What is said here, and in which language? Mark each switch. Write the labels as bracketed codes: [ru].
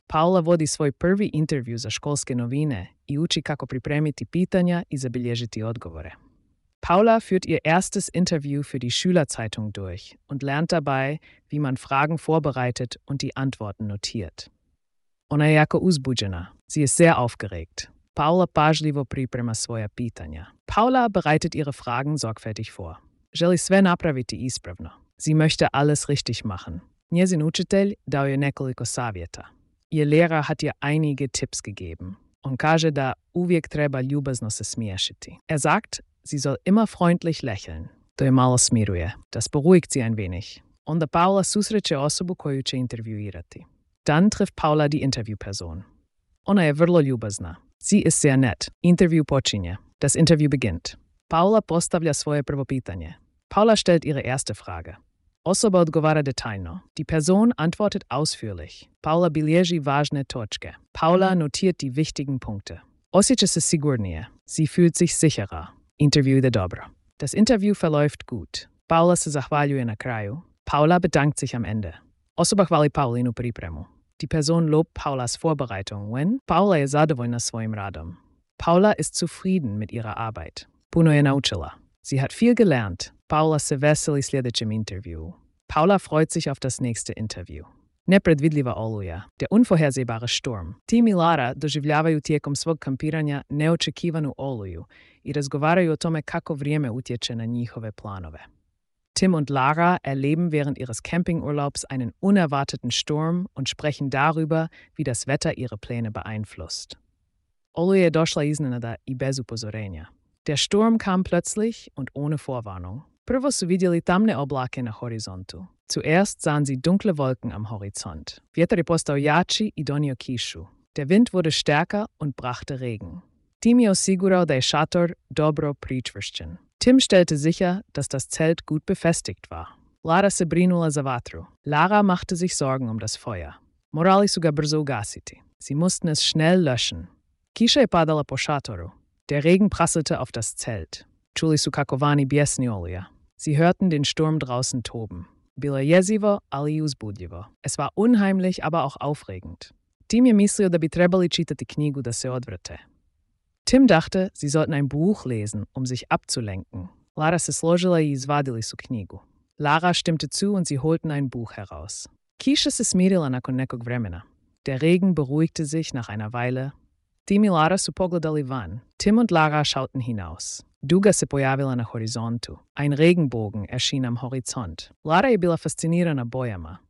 [hr] Paula vodi svoj prvi intervju za školske novine i uči kako pripremiti pitanja i zabilježiti odgovore. [de] Paula führt ihr erstes Interview für die Schülerzeitung durch und lernt dabei, wie man Fragen vorbereitet und die Antworten notiert. [hr] Ona je jako uzbuđena. [de] Sie ist sehr aufgeregt. [hr] Paula pažljivo priprema svoja pitanja. [de] Paula bereitet ihre Fragen sorgfältig vor. [hr] Želi sve napraviti ispravno. [de] Sie möchte alles richtig machen. [hr] Njezin učitelj dao je nekoliko savjeta. [de] Ihr Lehrer hat ihr einige Tipps gegeben. [hr] On kaže da uvijek treba ljubazno se smiješiti. [de] Sagt, sie soll immer freundlich lächeln. [hr] To je malo smiruje. [de] Das beruhigt sie ein wenig. [hr] Onda Paula susreće osobu koju će intervjuirati. [de] Dann trifft Paula die Interviewperson. [hr] Ona je vrlo ljubazna. [de] Sie ist sehr nett. [hr] Interview počinje. [de] Das Interview beginnt. [hr] Paula postavlja svoje prvo pitanje. [de] Paula stellt ihre erste Frage. [hr] Osoba odgovara detaljno. [de] Die Person antwortet ausführlich. [hr] Paula bilježi važne točke. [de] Paula notiert die wichtigen Punkte. [hr] Osjeća se sigurnije. [de] Sie fühlt sich sicherer. [hr] Interview ide dobro. [de] Das Interview verläuft gut. [hr] Paula se zahvaljuje na kraju. [de] Paula bedankt sich am Ende. [hr] Osoba hvali Paulinu pripremu. [de] Die Person lobt Paulas Vorbereitung, wenn [hr] Paula je zadovoljna svojim radom. [de] Paula ist zufrieden mit ihrer Arbeit. [hr] Puno je naučila. [de] Sie hat viel gelernt. [hr] Paula se veseli sljedećem interviewu. [de] Paula freut sich auf das nächste Interview. [hr] Nepredvidljiva oluja, [de] der unvorhersehbare Sturm. [hr] Tim i Lara doživljavaju tijekom svog kampiranja neočekivanu oluju i razgovaraju o tome kako vrijeme utječe na njihove planove. [de] Tim und Lara erleben während ihres Campingurlaubs einen unerwarteten Sturm und sprechen darüber, wie das Wetter ihre Pläne beeinflusst. [hr] Oluja je došla iznenada i bez upozorenja. [de] Der Sturm kam plötzlich und ohne Vorwarnung. [hr] Prvo su vidjeli tamne oblake na horizontu. [de] Zuerst sahen sie dunkle Wolken am Horizont. [hr] Vjetar je postao jači i donio kišu. [de] Der Wind wurde stärker und brachte Regen. [hr] Tim je osigurao da je šator dobro pričvršćen. [de] Tim stellte sicher, dass das Zelt gut befestigt war. [hr] Lara se brinula za vatru. [de] Lara machte sich Sorgen um das Feuer. [hr] Morali su ga brzo ugasiti. [de] Sie mussten es schnell löschen. [hr] Kiša je padala po šatoru. [de] Der Regen prasselte auf das Zelt. [hr] Čuli su kako vani bjesni oluja. [de] Sie hörten den Sturm draußen toben. [hr] Bilo jezivo, ali i uzbudljivo. [de] Es war unheimlich, aber auch aufregend. [hr] Tim je mislio da bi trebali čitati knjigu da se odvrte. [de] Tim dachte, sie sollten ein Buch lesen, um sich abzulenken. [hr] Lara se složila i izvadili su knjigu. [de] Lara stimmte zu und sie holten ein Buch heraus. [hr] Kiša se smirila nakon nekog vremena. [de] Der Regen beruhigte sich nach einer Weile. [hr] Tim i Lara su pogledali van. [de] Tim und Lara schauten hinaus. [hr] Duga se pojavila na horizontu. [de] Ein Regenbogen erschien am Horizont. [hr] Lara je bila fascinirana bojama.